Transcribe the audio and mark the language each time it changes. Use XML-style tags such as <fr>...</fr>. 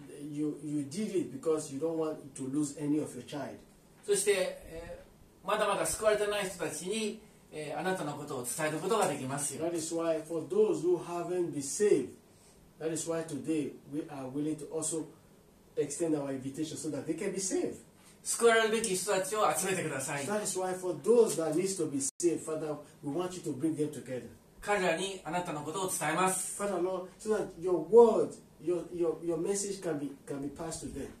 <en>You did it because you don't want to lose any of your child.</en> <ja>そして、まだまだ救われてない人たちに、あなたのことを伝えることができますよ。</ja> <en>That is why for those who haven't been saved, that is why today we are willing to also extend our invitation so that they can be saved.</en> <ja>救われるべき人たちを集めてください。</ja> <en>That is why for those that needs to be saved, Father, we want you to bring them together.</en> <ja>彼らにあなたのことを伝えます。</ja> <en>Father Lord, so that your word, your message can be passed to them.</en>